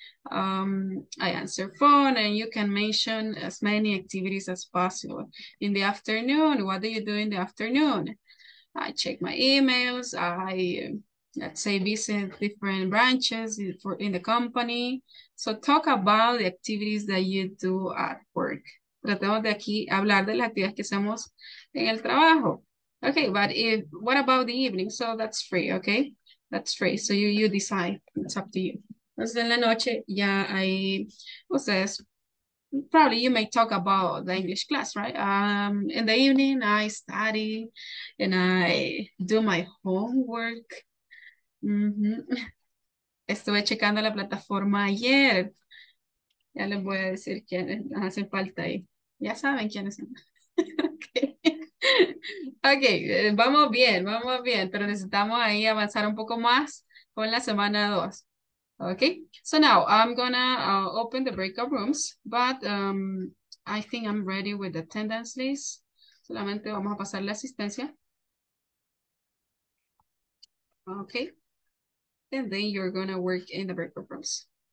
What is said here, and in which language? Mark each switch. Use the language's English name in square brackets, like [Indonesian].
[English] I answer phone, and you can mention as many activities as possible. In the afternoon, what do you do in the afternoon? I check my emails. I, let's say, visit different branches in the company. So talk about the activities that you do at work. [Spanish] Tratemos de aquí hablar de las actividades que hacemos en el trabajo. [English] Okay, but what about the evening? So that's free, okay? That's free. So you decide. It's up to you. [Spanish] Entonces, en la noche, ya ahí, ustedes, [English] probably you may talk about the English class, right? In the evening, I study and I do my homework. [Spanish] Estuve checando la plataforma ayer. Ya les voy a decir quiénes hacen falta ahí. Ya saben quiénes son. Okay, vamos bien, pero necesitamos ahí avanzar un poco más con la semana 2. [English] Okay, so now I'm gonna open the breakout rooms, but I think I'm ready with the attendance list. [Spanish] Solamente vamos a pasar la asistencia. [English] Okay, and then you're gonna work in the breakout rooms.